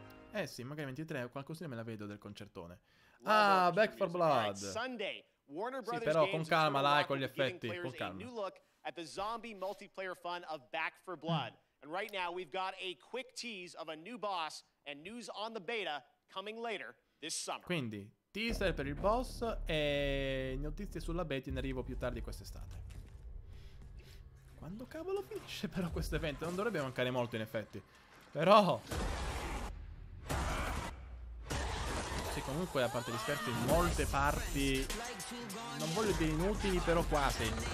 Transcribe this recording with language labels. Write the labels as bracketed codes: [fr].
[it] Eh sì, magari 23 o qualcosina me la vedo del concertone. Ah, Back for Blood. Sì, però con calma, là, con gli effetti, con calma. [en] New look at the zombie multiplayer fun of Back for Blood. And right now we've got a quick tease of a new boss and news on the beta coming later this summer. [it] Quindi, teaser per il boss e notizie sulla beta in arrivo più tardi quest'estate. Quando cavolo finisce però questo evento? Non dovrebbe mancare molto in effetti. Però sì, comunque a parte gli scherzi, in molte parti, non voglio dire inutili, però quasi.